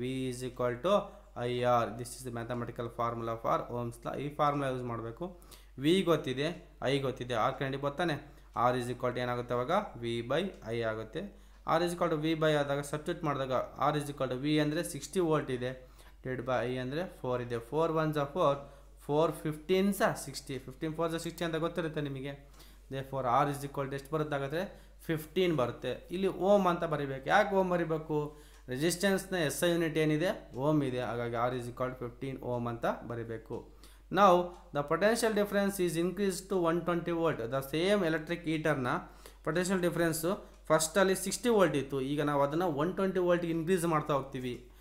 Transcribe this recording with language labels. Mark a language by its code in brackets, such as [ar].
[en] V is equal to I R, this is the mathematical formula for Ohm's law. [kn] ಈ formula use ಮಾಡಬೇಕು. V ಗೊತ್ತಿದೆ, I ಗೊತ್ತಿದೆ, R ಕಂಡು ಬರ್ತಾನೆ. [en] R is equal to [kn] ಏನಾಗುತ್ತೆ ಅವಾಗ, ವಿ ಬೈ ಐ ಆಗುತ್ತೆ. R is equal to V by ಆದಾಗ ಸಬ್ಸ್ಟಿಟ್ಯೂಟ್ ಮಾಡಿದಾಗ R is equal to V ಅಂದರೆ 60 volt ಇದೆ, ಡಿವೈಡ್ ಬೈ ಐ ಅಂದರೆ 4 ಇದೆ. [en] 4 ones are 4, 4 15s are 60, 15 4s are 60 [kn] ಅಂತ ಗೊತ್ತಿರುತ್ತೆ ನಿಮಗೆ. [en] therefore R is equal to [kn] ಎಷ್ಟು ಬರುತ್ತೆ ಹಾಗಾದರೆ 15 ಬರುತ್ತೆ. ಇಲ್ಲಿ ಓಮ್ ಅಂತ ಬರೀಬೇಕು. ಯಾಕೆ ಓಮ್ ಬರೀಬೇಕು, ರೆಸಿಸ್ಟೆನ್ಸ್ನ ಎಸ್ ಐ ಯೂನಿಟ್ ಏನಿದೆ, ಓಮ್ ಇದೆ. ಹಾಗಾಗಿ [en] R is equal to 15 ohm [kn] ಅಂತ ಬರೀಬೇಕು. ನಾವು [en] The potential difference is increase to 120 volt. The same electric ಈಟರ್ನ [kn] potential difference ಫಸ್ಟಲ್ಲಿ 60 volt ಇತ್ತು, ಈಗ ನಾವು ಅದನ್ನು 120 volt ಇನ್ಕ್ರೀಸ್ ಮಾಡ್ತಾ ಹೋಗ್ತೀವಿ.